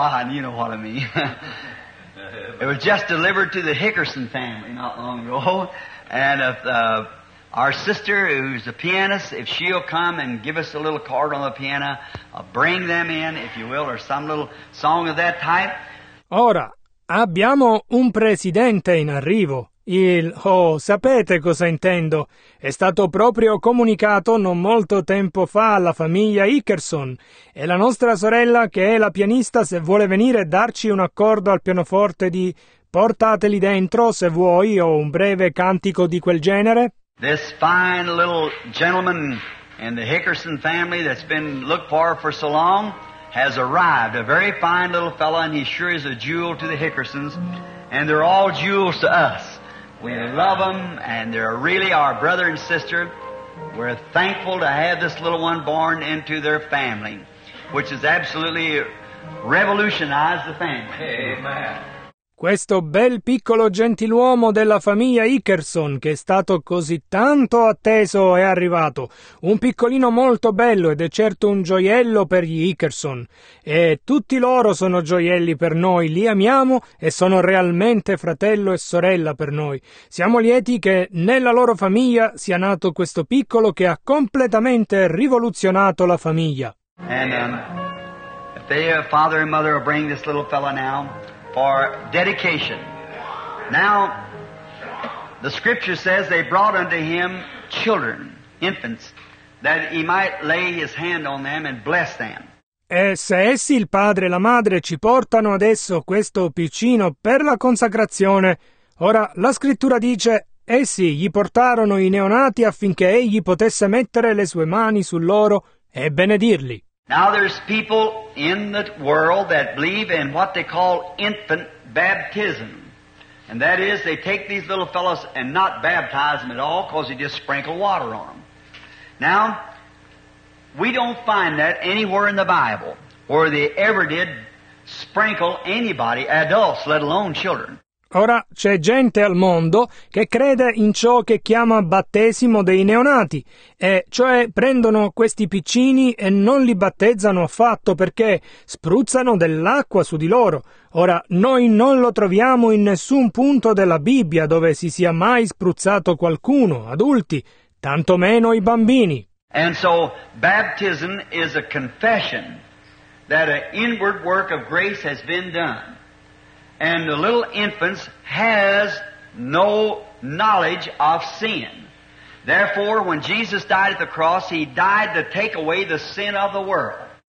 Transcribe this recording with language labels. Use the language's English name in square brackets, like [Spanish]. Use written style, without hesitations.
[English] You know what I mean. It was just delivered to the Hickerson family not long ago. And our sister, who's a pianist, if she'll come and give us a little card on the piano, bring them in, if you will, or some little song of that type. [Italian] Ora, abbiamo un presidente in arrivo. Sapete cosa intendo. È stato proprio comunicato non molto tempo fa alla famiglia Hickerson. E la nostra sorella, che è la pianista, se vuole venire darci un accordo al pianoforte di Portateli dentro, se vuoi, o un breve cantico di quel genere. [English] This fine little gentleman in the Hickerson family that's been looked for so long has arrived. A very fine little fellow, and he sure is a jewel to the Hickersons. And they're all jewels to us. We love them, and they're really our brother and sister. We're thankful to have this little one born into their family, which has absolutely revolutionized the family. Amen. [Italian] Questo bel piccolo gentiluomo della famiglia Ickerson, che è stato così tanto atteso, è arrivato. Un piccolino molto bello ed è certo un gioiello per gli Ickerson. E tutti loro sono gioielli per noi, li amiamo e sono realmente fratello e sorella per noi. Siamo lieti che nella loro famiglia sia nato questo piccolo che ha completamente rivoluzionato la famiglia. [English] And they, father and mother, will bring this little fellow now. For dedication. Now, the scripture says they brought unto him children, infants, that he might lay his hand on them and bless them. [Italian] E se essi, il padre e la madre, ci portano adesso questo piccino per la consacrazione, ora la scrittura dice: essi gli portarono i neonati affinché egli potesse mettere le sue mani su loro e benedirli. [English] Now there's people in the world that believe in what they call infant baptism. And that is, they take these little fellows and not baptize them at all because they just sprinkle water on them. Now, we don't find that anywhere in the Bible where they ever did sprinkle anybody, adults, let alone children. [Italian] Ora c'è gente al mondo che crede in ciò che chiama battesimo dei neonati, e cioè prendono questi piccini e non li battezzano affatto perché spruzzano dell'acqua su di loro. Ora, noi non lo troviamo in nessun punto della Bibbia dove si sia mai spruzzato qualcuno, adulti, tantomeno i bambini. [English] And so baptism is a confession that an inward work of grace has been done. And the little infants has no knowledge of sin. Therefore, when Jesus died at the cross, he died to take away the sin of the world.